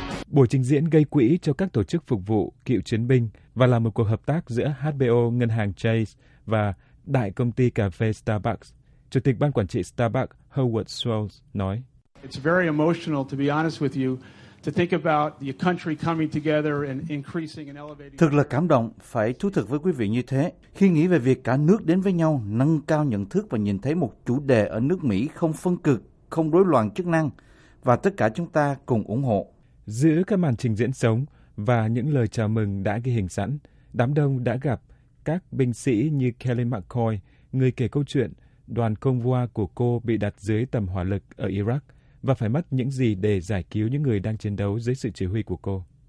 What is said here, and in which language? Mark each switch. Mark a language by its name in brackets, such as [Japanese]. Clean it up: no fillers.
[Vietnamese] Buổi trình diễn gây quỹ cho các tổ chức phục vụ cựu chiến binh và là một cuộc hợp tác giữa HBO, ngân hàng Chase và đại công ty cà phê Starbucks. Chủ tịch ban quản trị Starbucks Howard Schultz nói: [English] It's very emotional, to be honest with you, to think about the country coming together and increasing and elevating. [Vietnamese] Thực là cảm động, phải thú thực với quý vị như thế. Khi nghĩ về việc cả nước đến với nhau, nâng cao nhận thức và nhìn thấy một chủ đề ở nước Mỹ không phân cực, không rối loạn chức năng, và tất cả chúng ta cùng ủng hộ. Giữa các màn trình diễn sống và những lời chào mừng đã ghi hình sẵn, đám đông đã gặp các binh sĩ như Kelly McCoy, người kể câu chuyện đoàn convoy của cô bị đặt dưới tầm hỏa lực ở Iraq và phải mất những gì để giải cứu những người đang chiến đấu dưới sự chỉ huy của cô.